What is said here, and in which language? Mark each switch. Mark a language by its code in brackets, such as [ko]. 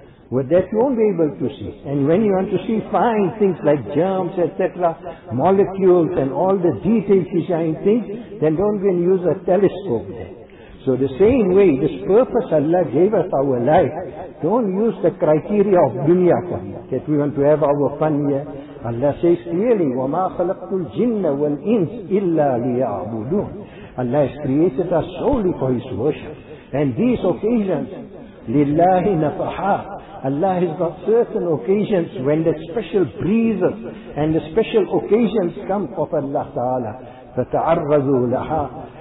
[en] With that you won't be able to see. And when you want to see fine things like germs, etc., molecules and all the details which are in things, then don't even use a telescope there. So the same way, this purpose Allah gave us our life, don't use the criteria of dunya for it, that we want to have our fun here. Allah says clearly, [ar] وَمَا خَلَقْتُ الْجِنَّ وَالْإِنْسِ إِلَّا لِيَعْبُدُونَ. [en] Allah has created us solely for His worship. And these occasions, [ar] لِلَّهِ نَفَحَاتِ. [en] Allah has got certain occasions when the special breezes and the special occasions come of Allah Ta'ala. [ar] فَتَعَرَّضُوا لَهَا.